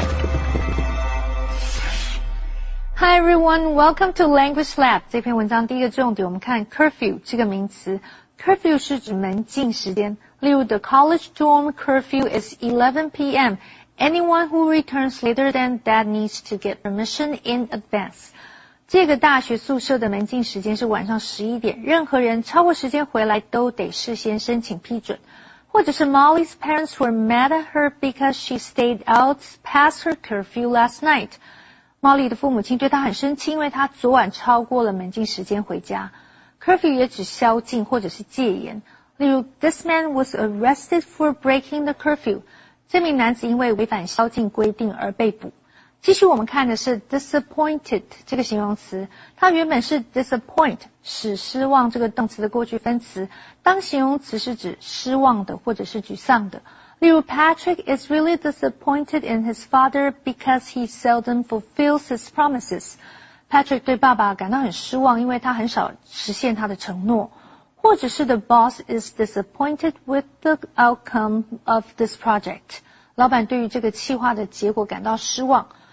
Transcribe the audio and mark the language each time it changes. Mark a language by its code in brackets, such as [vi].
[en] Hi everyone, welcome to Language Lab. [zh] 这篇文章第一个重点我们看 curfew 这个名词。curfew 是指门禁时间。例如 [en] the college dorm curfew is 11 p.m. Anyone who returns later than that needs to get permission in advance. [zh] 这个大学宿舍的门禁时间是晚上11点。任何人超过时间回来都得事先申请批准。或者是 [en] Molly's parents were mad at her because she stayed out past her curfew last night. [zh] 茉莉的父母亲对她很生气，因为她昨晚超过了门禁时间回家。 Curfew 也指宵禁或者是戒严。例如 [en] ,This man was arrested for breaking the curfew. [zh] 这名男子因为违反宵禁规定而被捕。继续我们看的是 disappointed 这个形容词。它原本是 disappoint, 使失望这个动词的过去分词。当形容词是指失望的或者是沮丧的。例如 [en] Patrick is really disappointed in his father because he seldom fulfills his promises. [zh] Patrick 对爸爸感到很失望，因为他很少实现他的承诺。或者是 [en] the boss is disappointed with the outcome of this project. [zh] 老板对于这个企划的结果感到失望。